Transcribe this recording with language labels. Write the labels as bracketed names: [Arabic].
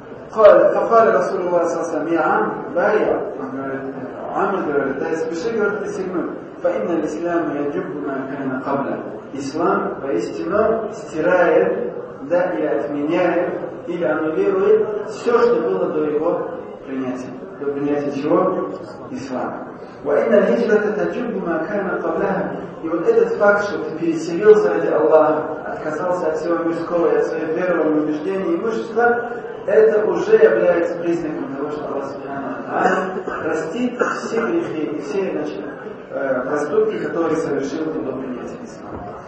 [Arabic] Фахаля Расулу Аллаху Ассалам, я Ам, Байя, [Russian] он говорит, Ам, говорит, да, спеши, говорит, присягну. [Arabic] Фаинна Ислам я джубу на кайна кабля. [Russian] Ислам поистину стирает, да, и отменяет, или аннулирует все, что было до его принятия. До принятия чего? Ислама. [Arabic] وإن الهجرة تجب ما كان قبلها. [Russian] И вот этот факт, что ты переселился ради Аллаха, отказался от всего мирского и от своего верового убеждения и имущества, это уже является признаком того, что Аллах Субхана простит все грехи и все, значит, поступки, которые совершил ты до принятия ислама.